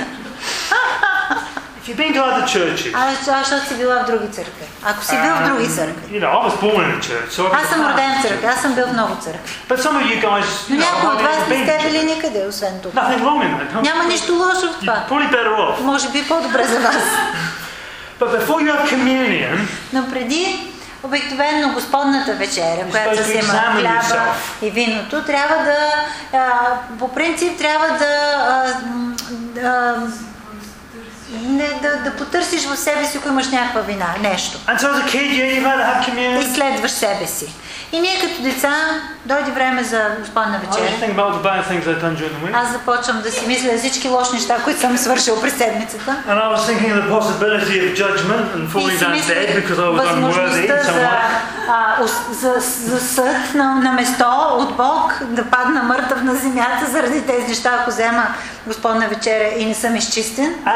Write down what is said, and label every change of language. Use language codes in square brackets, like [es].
[en] If you've been to other churches. [bg] Аз съм си била в други църкви. Ако си бил в други църкви. [en] You know, I was born in a church. So [bg] аз съм роден в църкви. Аз съм бил в много църкви. [en] But some of you guys, [bg] но някои от вас не сте били никъде освен тук. [en] Nothing wrong in that. [bg] Няма нищо лошо в това. [en] Probably better off. [bg] Може би по-добре за вас. [en] But before you have communion. [bg] Но преди обикновено Господната вечеря, която взема хляба и виното, трябва да по принцип трябва да Да потърсиш в себе си, ако имаш някаква вина, нещо. [en] And so as a kid, you better have communion. [bg] И следваш себе си. И ние като деца, дойде време за Господна вечеря. Аз започвам да си мисля всички лоши неща, които съм свършил през седмицата. [en] And I was thinking of the possibility of judgment and falling down dead because I was unworthy in some way. [bg] За съд на место от Бог, да падна мъртъв на земята заради тези неща, ако взема Господна вечеря и не съм изчистен.